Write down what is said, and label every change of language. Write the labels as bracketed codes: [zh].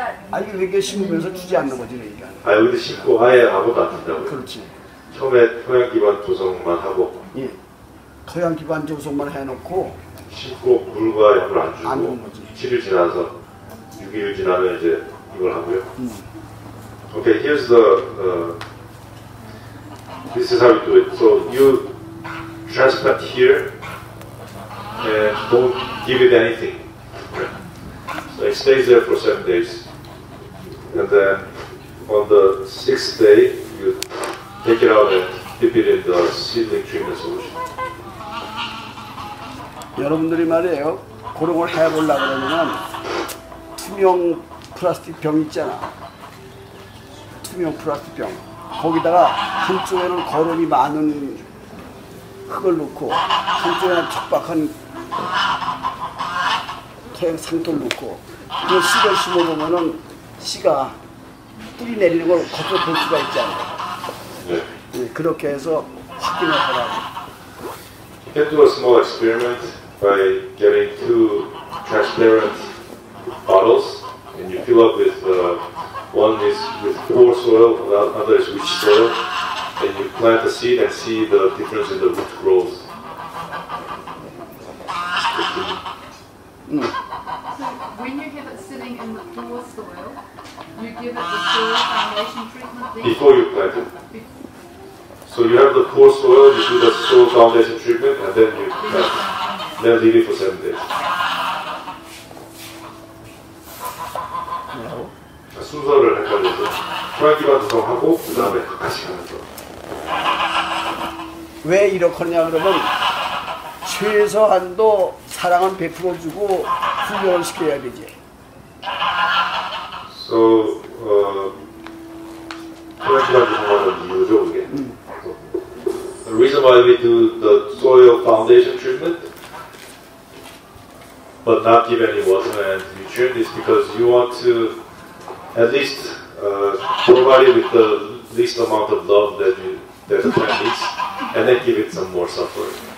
[ko] 아, 이게 왜 심으면서 주지 않는 거지, 그러니까. 아, 여기도 심고 하에 아무도 안 준다고요? 그렇지. 처음에 토양 기반 조성만 하고. 예. 토양 기반 조성만 해놓고. 심고 물과 약물 안 주고. 안 주는 거지. 7일 지나서, 6일 지나면 이제 이걸 하고요. [en] 오케이, okay, here's the, this is how we do it. So you transplant here and don't give it anything. So it stays there for 7 days. And then on the 6th day, you take it out and dip it in the seedling treatment solution. [ko] 여러분들이 말이에요. 그런 걸 해보려고 그러면 투명 플라스틱 병 있잖아. 투명 플라스틱 병. 거기다가 한쪽에는 거름이 많은 흙을 넣고 한쪽에는 척박한 토양 상토를 넣고 그 씨를 심어보면은 씨가 뿌리 내리는 걸 겉으로 볼 수가 있지 않아요. 네. 네, 그렇게 해서 확인을 하라고. [en] You can do a small experiment by getting two transparent bottles and you fill up with one is with poor soil, another is rich soil, and you plant the seed and see the difference in the root growth. So when you give it sitting in the poor soil, you give it the soil foundation treatment then? Before you plant it. So you have the poor soil, you do the soil foundation treatment, and then you plant it. Then leave it for 7 days. No. [ko] 순서를 헷갈려서 토양 기반 조성하고 그 다음에 가식하면서 왜 이렇겠냐 그러면 최소한도 사랑은 100% 주고 훈련을 시켜야 되지. So 토양 기반 조성하는 이유죠 그게. [en] The reason why we do the soil foundation treatment but not give any water and nutrient is because you want to at least provide it with the least amount of love that you, that the plant needs, and then give it some more suffering.